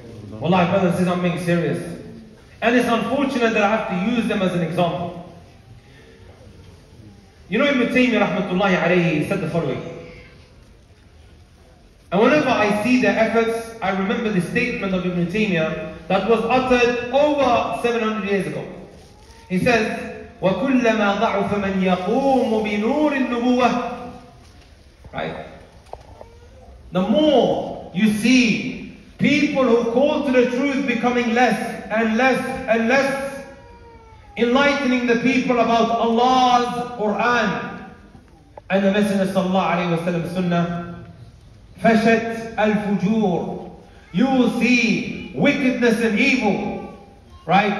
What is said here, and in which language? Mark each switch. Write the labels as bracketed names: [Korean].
[English] Wallahi, brothers, this is not being serious. And it's unfortunate that I have to use them as an example. You know, Ibn Taymiyyah rahmatullahi alayhi said the following. And whenever I see their efforts, I remember the statement of Ibn Taymiyyah that was uttered over 700 years ago. [Arabic] He says, وَكُلَّمَا ضَعُفَ مَنْ يَقُومُ بِنُورِ النُّبُوَةِ. [English] Right? The more you see people who call to the truth becoming less and less and less, enlightening the people about Allah's Quran and the Messenger sallallahu alayhi wa sallam sunnah, [Arabic] fashat al-fujur, [English] you will see wickedness and evil, right?